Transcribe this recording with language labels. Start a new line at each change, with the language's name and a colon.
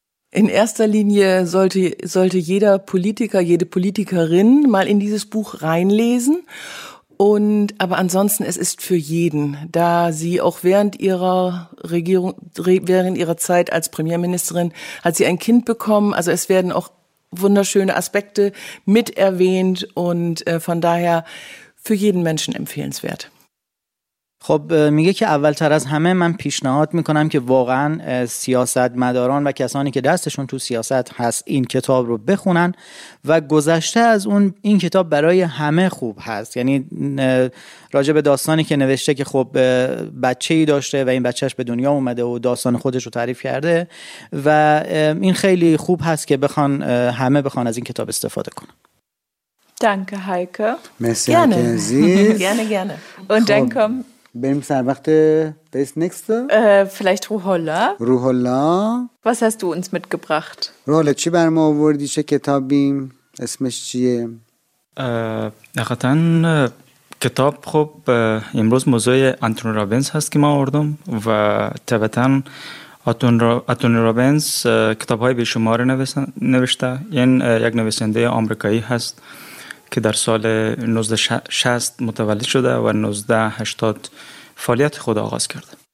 German: In erster Linie sollte jeder Politiker, jede Politikerin mal in dieses Buch reinlesen. Und aber ansonsten, es ist für jeden, da sie auch während ihrer Regierung, während ihrer Zeit als Premierministerin, hat sie ein Kind bekommen. Also es werden auch wunderschöne Aspekte mit erwähnt und von daher für jeden Menschen empfehlenswert.
Persian: خب میگه که اولتر از همه من پیشنهاد میکنم که واقعا سیاست مداران و کسانی که دستشون تو سیاست هست این کتاب رو بخونن و گذشته از اون این کتاب برای همه خوب هست، یعنی راجع به داستانی که نوشته که خب بچه‌ای داشته و این بچهش به دنیا اومده و داستان خودش رو تعریف کرده و این خیلی خوب هست که بخوان همه بخوان از این کتاب استفاده کنن.
German: Danke Heike.
Persian: مرسی
German: Gerne. Gerne. Und dann komm
Persian: بریم سر وقت بس نیکست.
German: Vielleicht Ruhollah. Ruhollah. Was hast du uns mitgebracht?
Persian: Ruhollah, چی برام آوردی؟ چه کتابی؟ اسمش چیه؟ حقیقتاً کتاب خوب امروز موضوع آنتونی رابینز هست که ما آوردم و طبعاً آنتونی رابینز کتاب های بیشماری نوشته. این یک نویسنده آمریکایی هست که در سال 1960 متولد شده و 1980 فعالیت خود آغاز کرده.